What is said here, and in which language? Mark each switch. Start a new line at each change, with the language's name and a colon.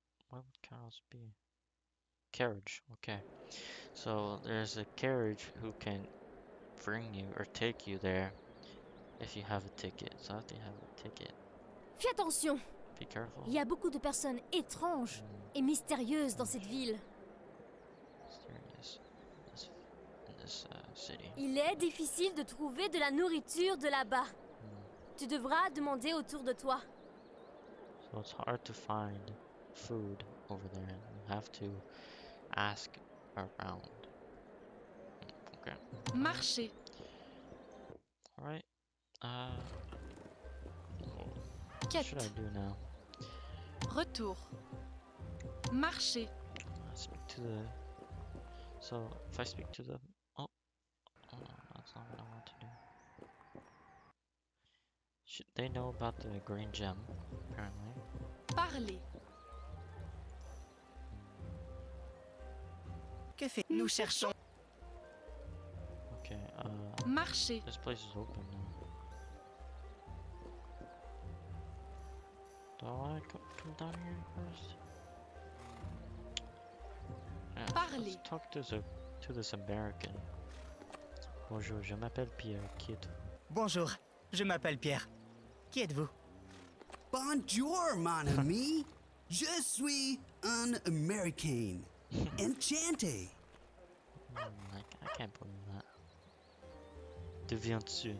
English: What would carrosse be? Carriage, okay. So there's a carriage who can bring you or take you there if you have a ticket. So if you have a ticket.
French: Fais attention.
English: Be careful.
French: Il y a beaucoup de personnes étranges et mystérieuses dans cette ville.
English: Mysterious. In this city.
French: Il est difficile de trouver de la nourriture de là-bas. Tu devras demander autour de toi.
English: So it's hard to find food over there. You have to ask around. Okay.
French: Marcher.
English: All right.
French: Quête.
English: What should I do now?
French: Retour. Marcher.
English: Speak to the. So if I speak to the. Oh, that's not what I want to do. Should they know about the green gem? Apparently.
French: Parler. Nous cherchons.
English: Okay,
French: marcher.
English: This place is open now. Do I want to come down here first? Yeah, parler. Let's talk to this American.
French: Bonjour, je m'appelle Pierre. Qui êtes-vous? Bonjour, je m'appelle Pierre. Qui êtes-vous? Bonjour, mon ami. Je suis un American. Enchanté.
English: I can't believe that.
French: D'où viens-tu?